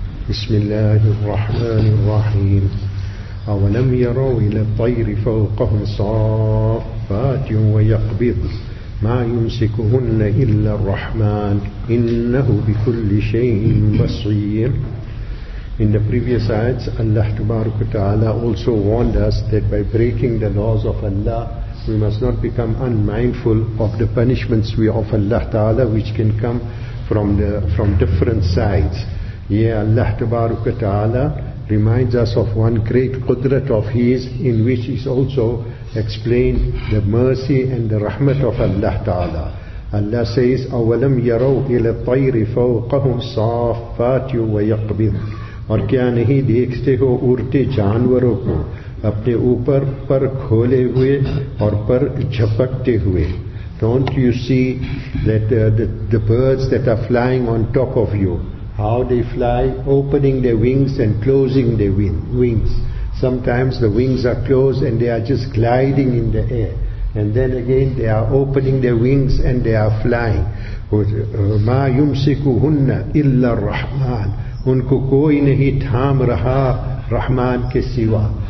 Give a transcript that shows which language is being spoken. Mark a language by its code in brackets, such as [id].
[ar] بسم الله الرحمن الرحيم. أولم يروا إلى الطير فوقهم صافات ويقبض ما يمسكهن إلا الرحمن إنه بكل شيء بصير. [en] In the previous ayats, Allah Tabarak wa Ta'ala also warned us that by breaking the laws of Allah, we must not become unmindful of the punishments of Allah Ta'ala, which can come from different sides. Yeah, Allah Tabarak wa Ta'ala reminds us of one great qudrat of His, in which is also explained the mercy and the rahmat of Allah Ta'ala. Allah says, [ar] أَوَلَمْ يَرَوْا إِلَى الطَّيْرِ فَوْقَهُمْ صَافَّاتٍ وَيَقْبِضٍ. [ur] اور کیا نہیں دیکھتے ہو اڑتے جانوروں کو اپنے اوپر پر کھولے ہوئے اور پر جھپکتے ہوئے. [en] Don't you see that the birds that are flying on top of you, how they fly, opening their wings and closing their wings. Sometimes the wings are closed and they are just gliding in the air. And then again they are opening their wings and they are flying. [ar] مَا يُمْسِكُهُنَّ إِلَّا الرَّحْمَانِ. [ur] ان کو کوئی نہیں تھام رہا رحمان کے سوا.